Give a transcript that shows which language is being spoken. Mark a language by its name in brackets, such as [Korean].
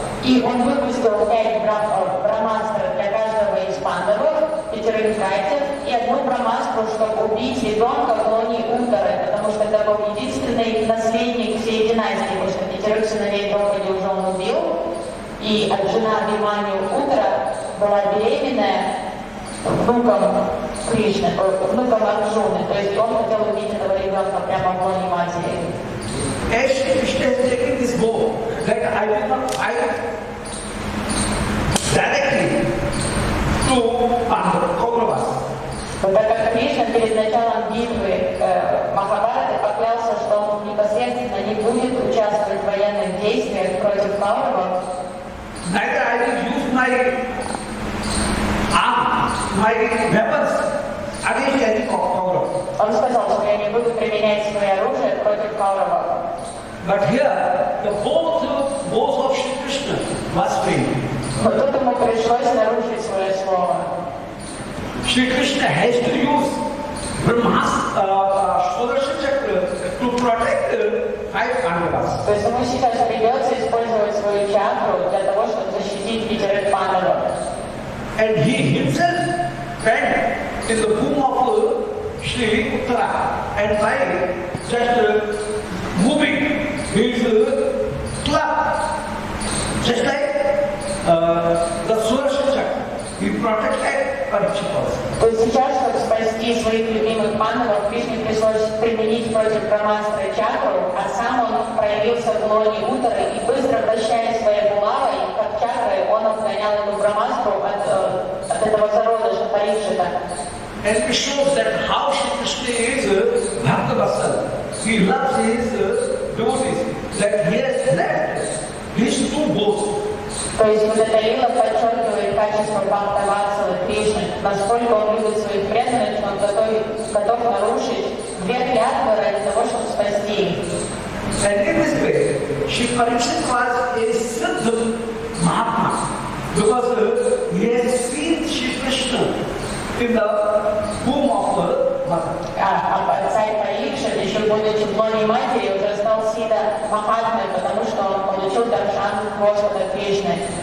[Russian] И он выпустил пять брамастр для каждого из пандавов, пятерых братьев, и одну брамастру, чтобы убить ребенка в лоне Унтары, потому что это был единственный наследник всей династии, потому что пятерых сыновей Дропади уже он убил, и жена Бимани Унтара была беременная внуком Кришны, внуком Арджуны, то есть он хотел убить этого ребенка прямо в лоне матери. [English] As Krishna has taken this bow, that I will not fight directly to Kauravas. But that Krishna, [Russian] перед началом битвы Махабхараты, поклялся, что он непосредственно не будет участвовать в военных действиях против Кауравов. [English] Neither I will use my my weapons against any Kaurav. [Russian] Он сказал, что я не буду применять свое оружие против Кауравов. [English] But here, the both bows of Shri Krishna was failed. Shri Krishna has to use Brahmastra, Sudarshan Chakra, to protect five Pandavas. [Russian] То есть ему сейчас придется использовать свою чакру для того, чтобы защитить пятерых Пандавов. [English] And he himself went in the womb of Shri Uttara, and by just moving his club, just like the Sudarshan Chakra, he protected Parikshit also. [Russian] То есть сейчас, чтобы спасти своих любимых пандавов, Кришне пришлось применить против Брамастры чакру, а сам он проявился в лоне Уттары и быстро вращаясь своей булавой, как чакры, он отгонял эту Брамастру от этого зародыша Парикшита. [English] And it shows that how Shri Krishna is Bhaktavatsala. He loves his devotees, that he has left his two bows. [Russian] То есть Бхатта Лила подчеркивает качество Бхактавасалы Кришны, насколько он любит своих преданных, что он готов нарушить две клятвы ради того, чтобы спасти их. [English] And in this way, Shri Parikshit was a siddha mahatma, because he has seen Shri Krishna in the womb of the mother. [Russian] Царь Парикшит, еще будучи в лоне матери, уже стал сидхи махатмой, потому что он получил даршан Господа Кришны.